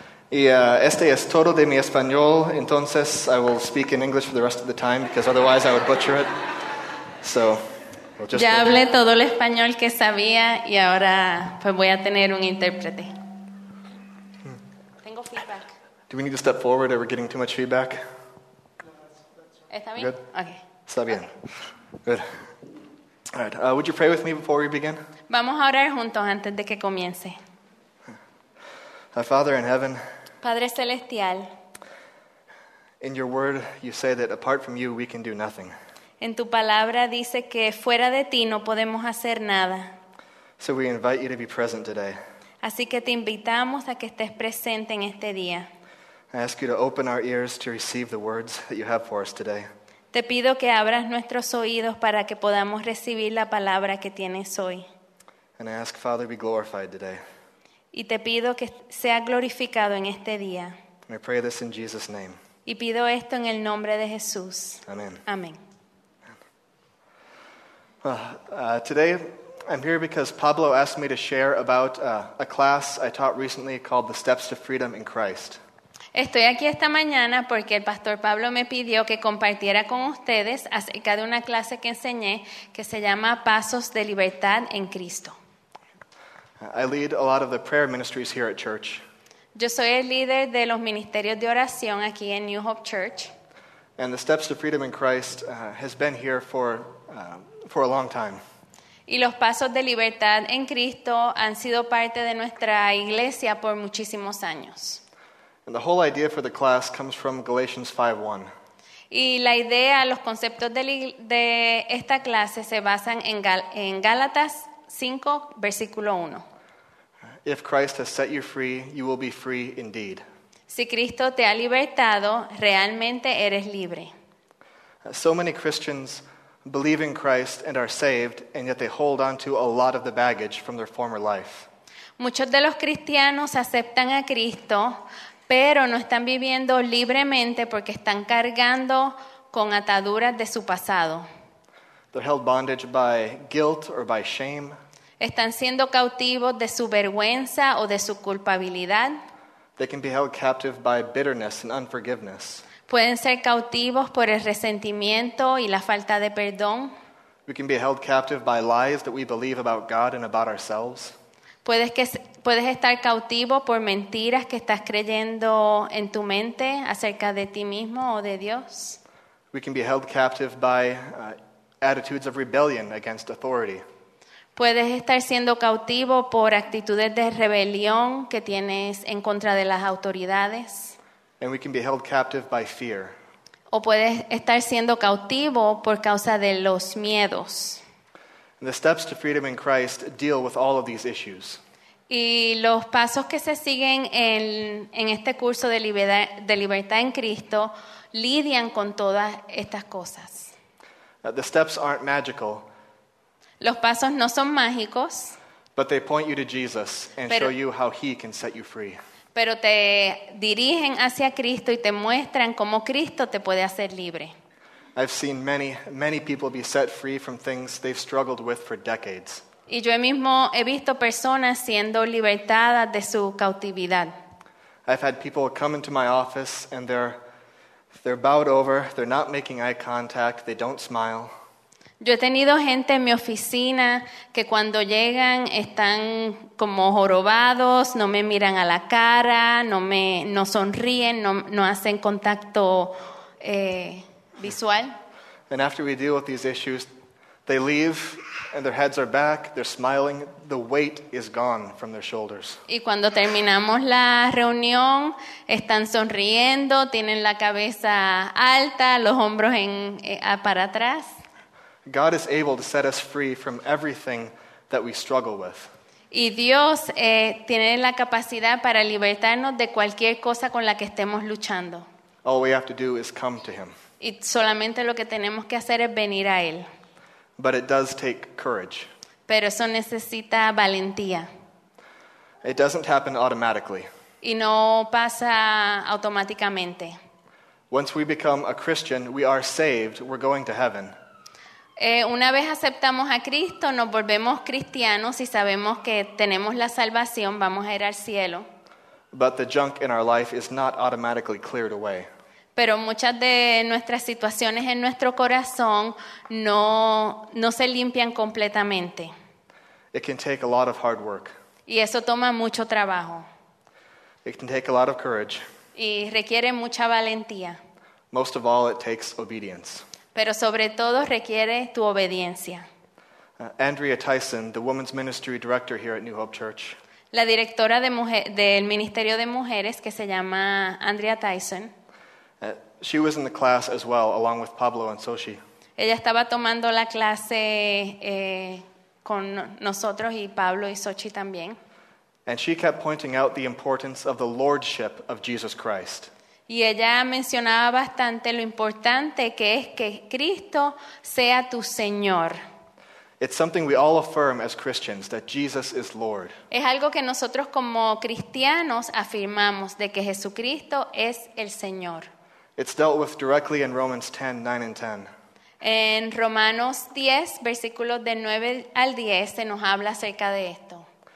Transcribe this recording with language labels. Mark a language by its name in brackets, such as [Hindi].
[Spanish] Y este es todo de mi español, entonces [English] I will speak in English for the rest of the time because otherwise I would butcher it. So... [Spanish] Ya hablé todo el español que sabía y ahora pues voy a tener un intérprete. Tengo feedback. [English] Do we need to step forward? Are we getting too much feedback? [Spanish] ¿Está bien? Okay. Está bien. [English] Okay. Good. All right. Would you pray with me before we begin? [Spanish] Vamos a orar juntos antes de que comience. [English] Our Father in heaven. [Spanish] Padre celestial. [English] In your word you say that apart from you we can do nothing. [Spanish] En tu palabra dice que fuera de ti no podemos hacer nada. [English] So we invite you to be present today. [Spanish] Así que te invitamos a que estés presente en este día. [English] I ask you to open our ears to receive the words that you have for us today. [Spanish] Te pido que abras nuestros oídos para que podamos recibir la palabra que tienes hoy. [English] And I ask Father be glorified today. [Spanish] Y te pido que sea glorificado en este día. [English] And I pray this in Jesus' name. [Spanish] Y pido esto en el nombre de Jesús. [English] Amen. [Spanish] Amén. [English] Today, I'm here because Pablo asked me to share about a class I taught recently called The Steps to Freedom in Christ. [Spanish] Estoy aquí esta mañana porque el pastor Pablo me pidió que compartiera con ustedes acerca de una clase que enseñé que se llama Pasos de Libertad en Cristo. [English] I lead a lot of the prayer ministries here at church. [Spanish] Yo soy el líder de los ministerios de oración aquí en New Hope Church. [English] And The Steps to Freedom in Christ has been here for a long time. [Spanish] Y los pasos de libertad en Cristo han sido parte de nuestra iglesia por muchísimos años. [English] And the whole idea for the class comes from Galatians 5:1. [Spanish] Y la idea, los conceptos de esta clase se basan en Gálatas 5, versículo 1. [English] If Christ has set you free, you will be free indeed. [Spanish] Si Cristo te ha libertado, realmente eres libre. [English] So many Christians believe in Christ and are saved, and yet they hold on to a lot of the baggage from their former life. [Spanish] Muchos de los cristianos aceptan a Cristo, pero no están viviendo libremente porque están cargando con ataduras de su pasado. [English] They're held bondage by guilt or by shame. [Spanish] Están siendo cautivos de su vergüenza o de su culpabilidad. [English] They can be held captive by bitterness and unforgiveness. [Spanish] Pueden ser cautivos por el resentimiento y la falta de perdón. [English] We can be held captive by lies that we believe about God and about ourselves. [Spanish] Puedes estar cautivo por mentiras que estás creyendo en tu mente acerca de ti mismo o de Dios. [English] We can be held captive by attitudes of rebellion against authority. [Spanish] Puedes estar siendo cautivo por actitudes de rebelión que tienes en contra de las autoridades. [English] And we can be held captive by fear. [Spanish] O puedes estar siendo cautivo por causa de los miedos. [English] And the steps to freedom in Christ deal with all of these issues. [Spanish] Y los pasos que se siguen en este curso de libertad en Cristo lidian con todas estas cosas. [English] The steps aren't magical. [Spanish] Los pasos no son mágicos. [English] But they point you to Jesus and show you how he can set you free. [Spanish] Pero te dirigen hacia Cristo y te muestran cómo Cristo te puede hacer libre. [English] I've seen many, many people be set free from things they've struggled with for decades. [Spanish] Y yo mismo he visto personas siendo libertadas de su cautividad. [English] I've had people come into my office and they're bowed over, they're not making eye contact, they don't smile. [Spanish] Yo he tenido gente en mi oficina que cuando llegan están como jorobados, no me miran a la cara, no sonríen, no hacen contacto visual. [English] And after we deal with these issues, they leave and their heads are back, they're smiling, the weight is gone from their shoulders. [Spanish] Y cuando terminamos la reunión, están sonriendo, tienen la cabeza alta, los hombros para atrás. [English] God is able to set us free from everything that we struggle with. [Spanish] Y Dios tiene la capacidad para libertarnos de cualquier cosa con la que estemos luchando. [English] All we have to do is come to him. [Spanish] Y solamente lo que tenemos que hacer es venir a él. [English] But it does take courage. [Spanish] Pero eso necesita valentía. [English] It doesn't happen automatically. [Spanish] Y no pasa automáticamente. [English] Once we become a Christian, we are saved, we're going to heaven. [Spanish] Una vez aceptamos a Cristo, nos volvemos cristianos y sabemos que tenemos la salvación, vamos a ir al cielo. [English] But the junk in our life is not automatically cleared away. [Spanish] Pero muchas de nuestras situaciones en nuestro corazón no se limpian completamente. [English] It can take a lot of hard work. [Spanish] Y eso toma mucho trabajo. [English] It can take a lot of courage. [Spanish] Y requiere mucha valentía. [English] Most of all, it takes obedience. [Spanish] Pero sobre todo requiere tu obediencia. [English] Andrea Tyson, the women's ministry director here at New Hope Church. [Spanish] La directora de del Ministerio de Mujeres, que se llama Andrea Tyson. [English] She was in the class as well, along with Pablo and Soshi. [Spanish] Ella estaba tomando la clase con nosotros y Pablo y Soshi también. [English] And she kept pointing out the importance of the lordship of Jesus Christ. [Spanish] Y ella mencionaba bastante lo importante que es que Cristo sea tu Señor. [English] It's something we all affirm as Christians, that Jesus is Lord. [Spanish] Es algo que nosotros como cristianos afirmamos, de que Jesucristo es el Señor. [English] It's dealt with directly in Romans 10, 9 and 10. [Spanish] En Romanos 10, versículos de 9 al 10, se nos habla acerca de esto.